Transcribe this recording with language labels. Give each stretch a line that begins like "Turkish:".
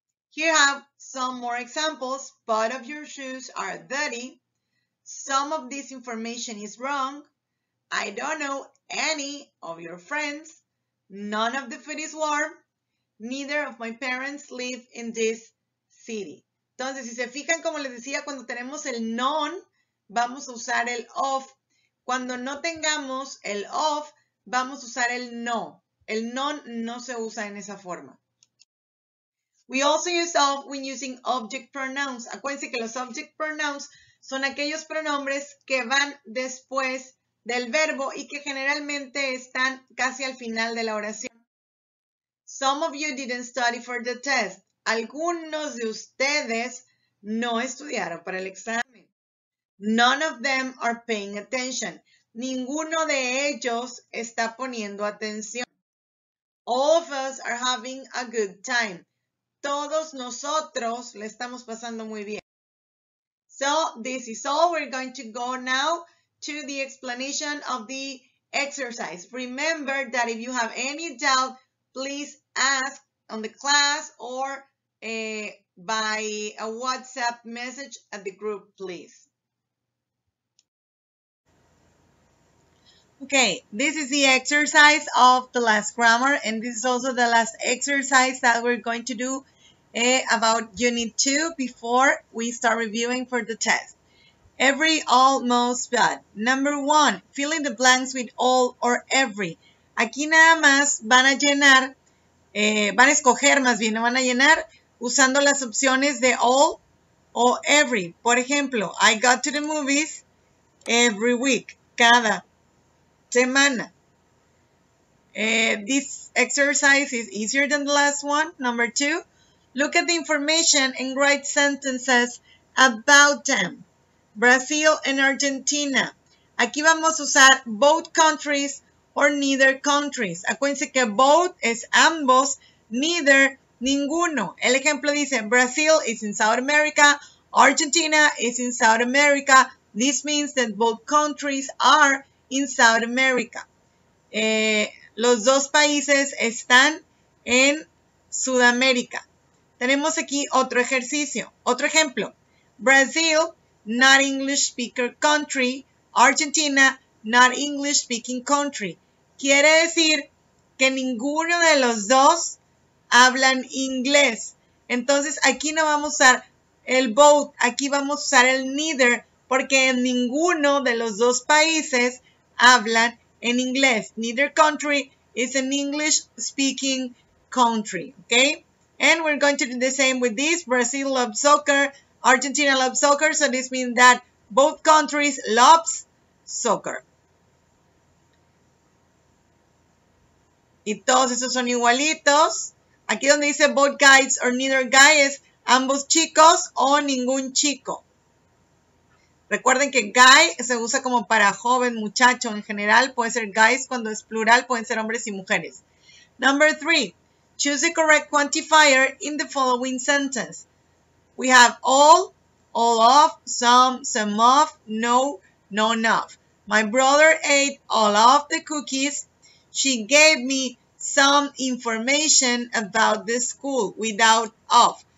English: Here have some more examples. Both of your shoes are dirty. Some of this information is wrong. I don't know any of your friends. None of the food is warm. Neither of my parents live in this city.
Spanish: Entonces, si se fijan, como les decía, cuando tenemos el none, vamos a usar el of. Cuando no tengamos el of, vamos a usar el no. El none no se usa en esa forma.
English: We also use of when using object pronouns.
Spanish: Acuérdense que los object pronouns son aquellos pronombres que van después del verbo y que generalmente están casi al final de la oración.
English: Some of you didn't study for the test.
Spanish: Algunos de ustedes no estudiaron para el examen.
English: None of them are paying attention.
Spanish: Ninguno de ellos está poniendo atención.
English: All of us are having a good time.
Spanish: Todos nosotros le estamos pasando muy bien.
English: So, this is all. We're going to go now to the explanation of the exercise. Remember that if you have any doubt, please ask on the class or by a WhatsApp message at the group, please. Okay, this is the exercise of the last grammar, and this is also the last exercise that we're going to do about unit 2 before we start reviewing for the test. Every, almost, but. Number 1, fill in the blanks with all or every.
Spanish: Aquí nada más van a llenar, van a escoger más bien, no van a llenar usando las opciones de all o every. Por ejemplo,
English: I go to the movies every week,
Spanish: cada semana.
English: This exercise is easier than the last one. Number 2. Look at the information and write sentences about them. Brazil and Argentina.
Spanish: Aquí vamos a usar
English: both countries or neither countries.
Spanish: Acuérdense que both es ambos, neither, ninguno. El ejemplo dice, Brazil is in South America, Argentina is in South America.
English: This means that both countries are in South America.
Spanish: Los dos países están en Sudamérica. Tenemos aquí otro ejercicio, otro ejemplo.
English: Brazil, not English speaker country. Argentina, not English speaking country.
Spanish: Quiere decir que ninguno de los dos hablan inglés. Entonces, aquí no vamos a usar el both, aquí vamos a usar el neither, porque en ninguno de los dos países hablan en inglés.
English: Neither country is an English speaking country,
Spanish: ¿ok?
English: And we're going to do the same with this. Brazil loves soccer. Argentina loves soccer. So this means that both countries loves soccer.
Spanish: Y todos esos son igualitos. Aquí donde dice
English: both guys or neither guys,
Spanish: ambos chicos o ningún chico. Recuerden que guy se usa como para joven, muchacho en general. Puede ser guys cuando es plural, pueden ser hombres y mujeres.
English: Number three, choose the correct quantifier in the following sentence. We have all of, some of, no, none of. My brother ate all of the cookies. She gave me some information about the school without of.